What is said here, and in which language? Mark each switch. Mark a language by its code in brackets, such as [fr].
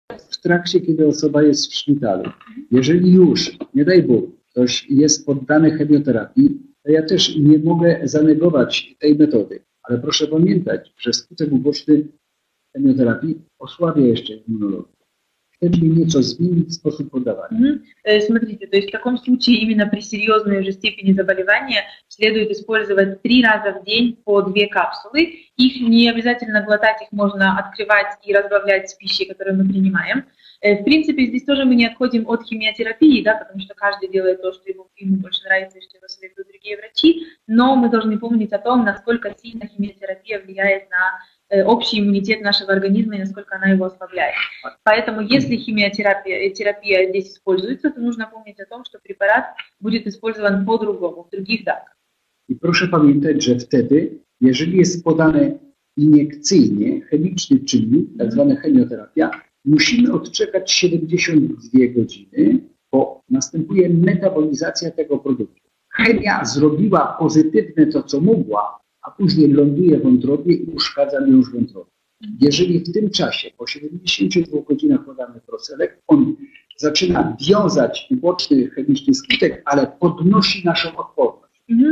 [pl] w trakcie, kiedy osoba jest w szpitalu. Jeżeli już, nie daj Bóg, ktoś jest poddany chemioterapii, to ja też nie mogę zanegować tej metody. Ale proszę pamiętać, że skutek uboczny chemioterapii osłabia jeszcze immunologię. [ru] Чтобы немного изменить способ подавания. Смотрите, то есть в таком случае именно при серьезной уже степени заболевания следует использовать 3 раза в день по 2 капсулы. Их не обязательно глотать, их можно открывать и разбавлять с пищей, которую мы принимаем. В принципе, здесь тоже мы не отходим от химиотерапии, да, потому что каждый делает то, что ему больше нравится, и что его советуют другие врачи. Но мы должны помнить о том, насколько сильно химиотерапия влияет на общий иммунитет нашего организма и насколько она его ослабляет. Поэтому, если химиотерапия здесь используется, то нужно помнить о том, что препарат будет использован по-другому, в других дозах. И прошу помнить, что тогда, если есть подано инъекционное, химическое чинение, так называемая химиотерапия, нужно отчекать 72 часа, по наступает метаболизация этого продукта. Химия сделала позитивное то, что могла, [pl] a później ląduje w wątrobie i uszkadza mi już wątrobę. Jeżeli w tym czasie, po 72 godzinach podany Proselek, on zaczyna wiązać uboczny chemiczny skutek, ale podnosi naszą odporność.